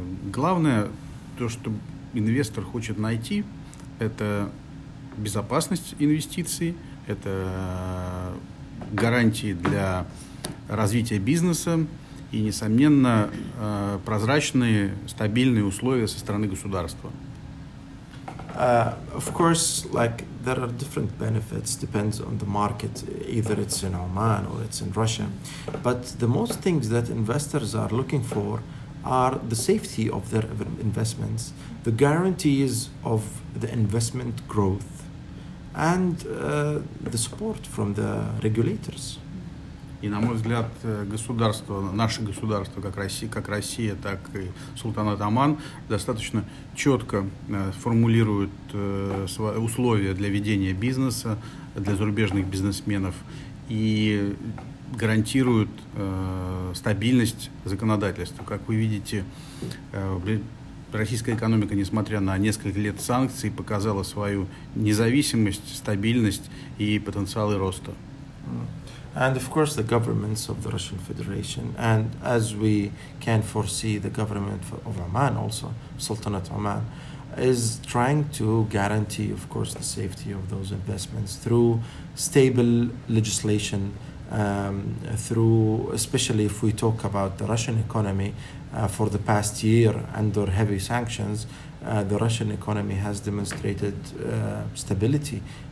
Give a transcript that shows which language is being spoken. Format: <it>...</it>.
<ru>Главное, то, что инвестор хочет найти, это безопасность инвестиций, это гарантии для развития бизнеса и, несомненно, прозрачные, стабильные условия со стороны государства.</ru> <en>Of course, like, there are different benefits, depends on the market, either it's in Oman or it's in Russia. But the most things that investors are looking for are the safety of their investments, the guarantees of the investment growth, and the support from the regulators.</en> <ru>И, на мой взгляд, государство, наше государство, как Россия, так и Султанат Оман, достаточно четко формулируют условия для ведения бизнеса для зарубежных бизнесменов и гарантируют стабильность законодательства. Как вы видите, российская экономика, несмотря на несколько лет санкций, показала свою независимость, стабильность и потенциалы роста.</ru> <en>And of course, the governments of the Russian Federation, and as we can foresee, the government of Oman also, Sultanate Oman, is trying to guarantee, of course, the safety of those investments through stable legislation, through, especially if we talk about the Russian economy, for the past year under heavy sanctions, the Russian economy has demonstrated stability.</en>